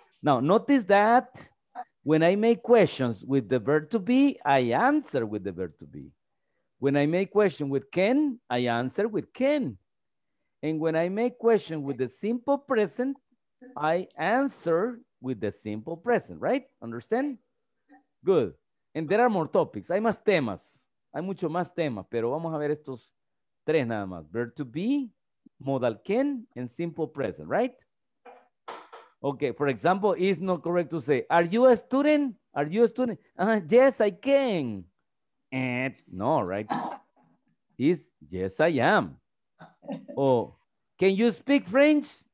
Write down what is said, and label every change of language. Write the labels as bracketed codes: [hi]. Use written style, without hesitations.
[en] Now, notice that when I make questions with the verb to be, I answer with the verb to be. When I make question with can, I answer with can. And when I make question with the simple present, I answer with the simple present, right? Understand? Good. And there are more topics. [es] Hay más temas. Hay mucho más temas, pero vamos a ver estos tres nada más. [en] Verb to be, modal can, and simple present, right? Okay, for example, it's not correct to say, are you a student? Are you a student? Yes, I can. No, right? It's, yes, I am. Oh, can you speak French?